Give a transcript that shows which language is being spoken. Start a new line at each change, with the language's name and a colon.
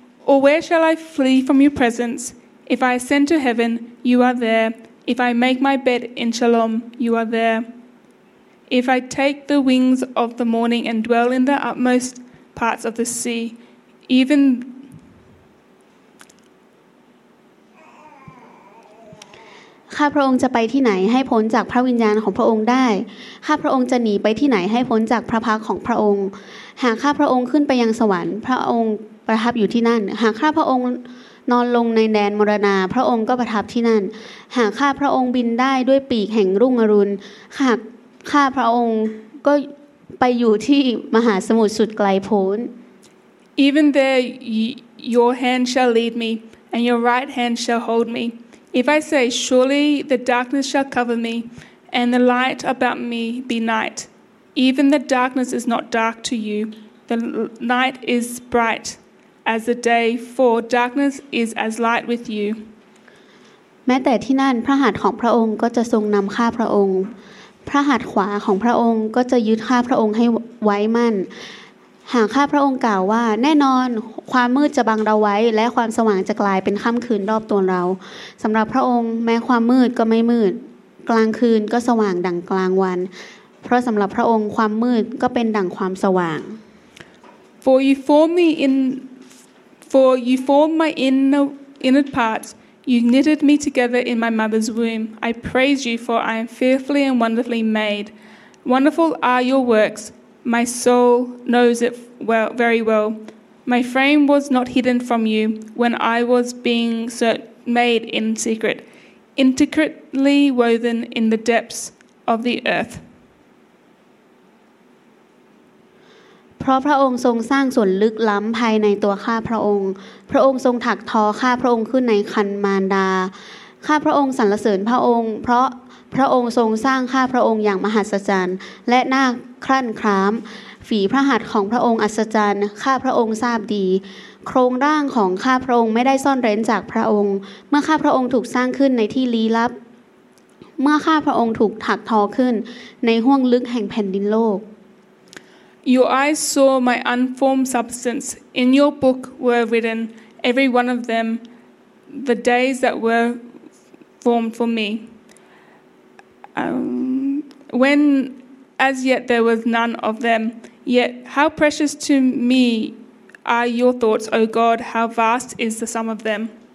English: Or where shall I flee from your presence? If I ascend to heaven, you are there. If I make my bed in Shalom, you are there. If I take the wings of the morning and dwell in the utmost parts of the sea, even...
Thai: ข้าพระองค์จะไปที่ไหนให้พ้นจากพระวิญญาณของพระองค์ได้ข้าพระองค์จะหนีไปที่ไหนให้พ้นจากพระพักของพระองค์หากข้าพระองค์ขึ้นไปยังสวรรค์พระองค์ประทับอยู่ที่นั่นหากข้าพระองค์นอนลงในแดนมรณาพระองค์ก็ประทับที่นั่นหากข้าพระองค์บินได้ด้วยปีกแห่งรุ่งอรุณหากข้าพระองค์ก็ไปอยู่ที่มหาสมุทรสุดไกลโพ้น
English: Even there your hand shall lead me and your right hand shall hold meIf I say, surely the darkness shall cover me, and the light about me be night, even the darkness is not dark to you. The night is bright as the day, for darkness is as light with you.
Thai: แม้แต่ที่นั่นพระหัตถ์ของพระองค์ก็จะทรงนำข้าพระองค์พระหัตถ์ขวาของพระองค์ก็จะยึดข้าพระองค์ให้ไว้มั่นหากข้าพระองค์กล่าวว่าแน่นอนความมืดจะบังเราไว้และความสว่างจะกลายเป็นค่ำคืนรอบตัวเราสำหรับพระองค์แม้ความมืดก็ไม่มืดกลางคืนก็สว่างดังกลางวันเพราะสำหรับพระองค์ความมืดก็เป็นดังความสว่าง
English: For you formed my inner parts you knitted me together in my mother's womb I praise you for I am fearfully and wonderfully made Wonderful are your worksMy soul knows it well, very well. My frame was not hidden from you when I was being made in secret, intricately woven in the depths of the earth.
Thai: เพราะพระองค์ทรงสร้างส่วนลึกล้ำภายในตัวข้าพระองค์พระองค์ทรงถักทอข้าพระองค์ขึ้นในครรภ์มารดาข้าพระองค์สรรเสริญพระองค์เพราะพระองค์ทรงสร้างข้าพระองค์อย่างมหัศจรรย์และน่าครั่นคร้ามฝีพระหัตถ์ของพระองค์อัศจรรย์ข้าพระองค์ทราบดีโครงร่างของข้าพระองค์ไม่ได้ซ่อนเร้นจากพระองค์เมื่อข้าพระองค์ถูกสร้างขึ้นในที่ลี้ลับเมื่อข้าพระองค์ถูกถักทอขึ้นในห้วงลึกแห่งแผ่นดินโลก
English: Your eyes saw my unformed substance in your book were written every one of them the days that were formed for meWhen as yet there was none of them, yet how precious to me are your thoughts, O God, how vast is the sum of them.